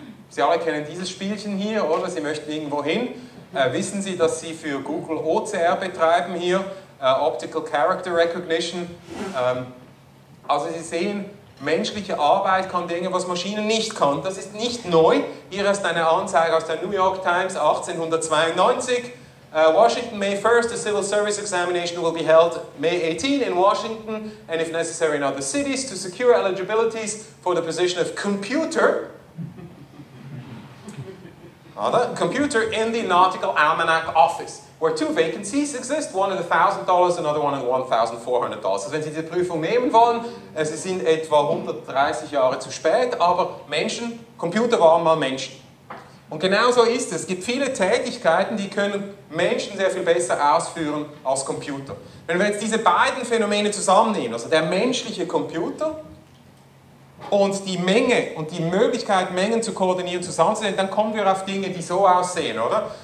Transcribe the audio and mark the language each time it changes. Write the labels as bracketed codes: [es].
[de] Sie alle kennen dieses Spielchen hier, oder? Sie möchten irgendwo hin. Wissen Sie, dass Sie für Google OCR betreiben hier, Optical Character Recognition. Also Sie sehen, menschliche Arbeit kann Dinge, was Maschinen nicht kann. Das ist nicht neu. Hier ist eine Anzeige aus der New York Times, 1892. [en] Washington, May 1st, a civil service examination will be held May 18 in Washington and if necessary in other cities to secure eligibilities for the position of computer, computer in the Nautical Almanac office, where 2 vacancies exist, one at $1,000, another one at $1,400. [de] Also wenn Sie die Prüfung nehmen wollen, Sie sind etwa 130 Jahre zu spät, aber Menschen, Computer waren mal Menschen. Und genau so ist es. Es gibt viele Tätigkeiten, die können Menschen sehr viel besser ausführen als Computer. Wenn wir jetzt diese beiden Phänomene zusammennehmen, also der menschliche Computer und die Menge und die Möglichkeit, Mengen zu koordinieren, zusammenzunehmen, dann kommen wir auf Dinge, die so aussehen, oder?